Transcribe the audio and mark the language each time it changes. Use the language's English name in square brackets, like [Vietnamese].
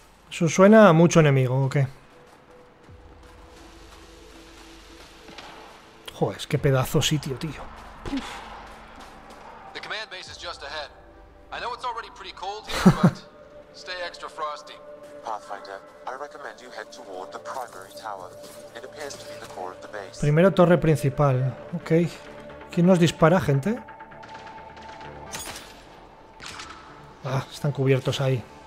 [Spanish] Eso suena a mucho enemigo, ¿o qué? Joder, qué pedazo sitio, tío. [English] The command base is just ahead. I know it's already pretty cold here, but stay extra frosty. Pathfinder, I recommend you head toward the primary tower. It appears to be the core of the base. [Spanish] Primero torre principal, ok. ¿Quién nos dispara, gente? Ah, están cubiertos ahí.